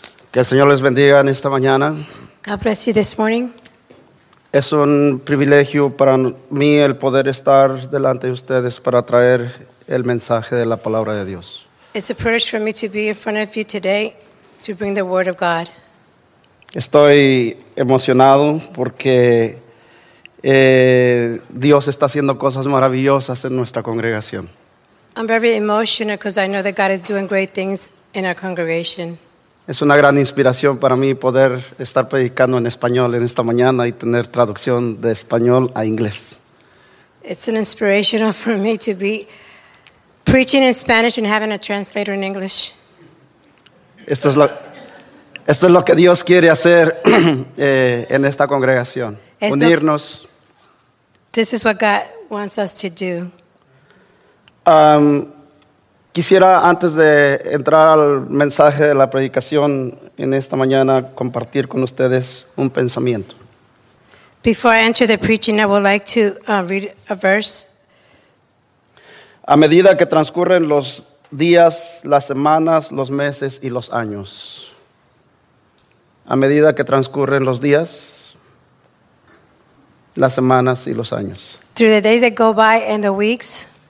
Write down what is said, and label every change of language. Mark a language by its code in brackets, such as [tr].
[es] Que el Señor les bendiga en esta mañana. [en] God bless you this morning. [es] Es un privilegio para mí el poder estar delante de ustedes para traer el mensaje de la palabra de Dios. [en] It's a privilege for me to be in front of you today to bring the word of God. [es] Estoy emocionado porque Dios está haciendo cosas maravillosas en nuestra congregación. [en] I'm very emotional because I know that God is doing great things in our congregation. [es] Es una gran inspiración para mí poder estar predicando en español en esta mañana y tener traducción de español a inglés. [en] It's an inspiration for me to be preaching in Spanish and having a translator in English. [es] Esto es lo que Dios quiere hacer en esta congregación. Unirnos. [en] This is what God wants us to do. [es] Quisiera antes de entrar al mensaje de la predicación en esta mañana compartir con ustedes un pensamiento. [en] Before I enter the preaching, I would like to read a verse. [es] A medida que transcurren los días, las semanas, los meses y los años. A medida que transcurren los días, las semanas y los años. [en] Through the days that go by and the weeks.